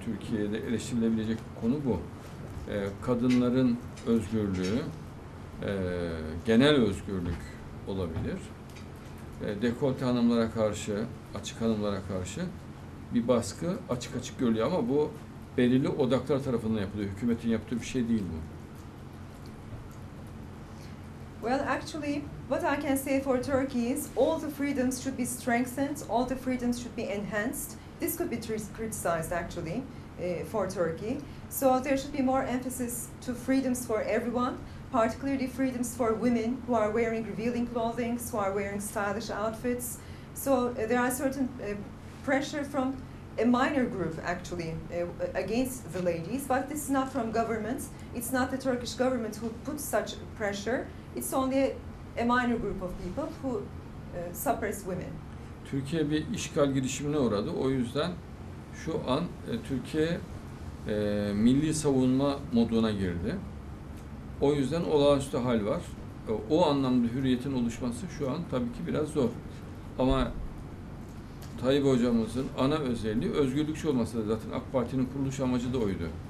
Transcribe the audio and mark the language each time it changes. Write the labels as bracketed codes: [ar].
[tr] Türkiye'de eleştirilebilecek konu bu. Kadınların özgürlüğü, genel özgürlük olabilir. Dekolte hanımlara karşı, açık hanımlara karşı bir baskı açık açık görülüyor ama bu belirli odaklar tarafından yapılıyor. Hükümetin yaptığı bir şey değil bu. [en] Well, actually, what I can say for Turkey is all the freedoms should be strengthened, all the freedoms should be enhanced. This could be criticized actually for Turkey. So there should be more emphasis to freedoms for everyone. Particularly freedoms for women who are wearing revealing clothing, who are wearing stylish outfits. So there are certain pressure from a minor group actually against the ladies, but this is not from governments. It's not the Turkish government who puts such pressure. It's only a minor group of people who suppress women. [tr] Türkiye bir işgal girişimine uğradı. O yüzden şu an Türkiye milli savunma moduna girdi. O yüzden olağanüstü hal var. O anlamda hürriyetin oluşması şu an tabii ki biraz zor. Ama Tayyip hocamızın ana özelliği özgürlükçü olması da zaten AK Parti'nin kuruluş amacı da oydu.